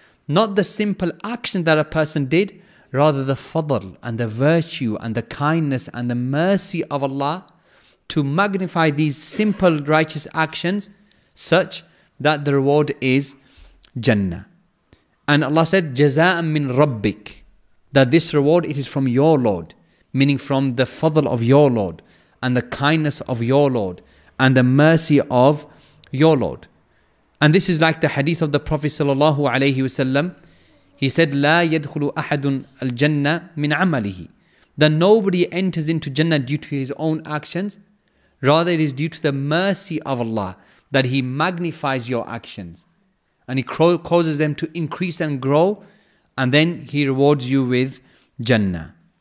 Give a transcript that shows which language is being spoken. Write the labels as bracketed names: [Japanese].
[English] Not the simple action that a person did, rather the fadl and the virtue and the kindness and the mercy of Allah to magnify these simple righteous actions such that the reward is Jannah. And Allah said, [Arabic] جَزَاءً مِّن رَبِّكَ, [English] that this reward, it is from your Lord, meaning from the fadl of your Lord and the kindness of your Lord and the mercy of your Lord. And this is like the hadith of the Prophet sallallahu alaihi wasallam. He said, [Arabic] لا يدخل أحد الجنة من عمله. [English] That nobody enters into Jannah due to his own actions. Rather, it is due to the mercy of Allah that He magnifies your actions. And He causes them to increase and grow. And then He rewards you with Jannah.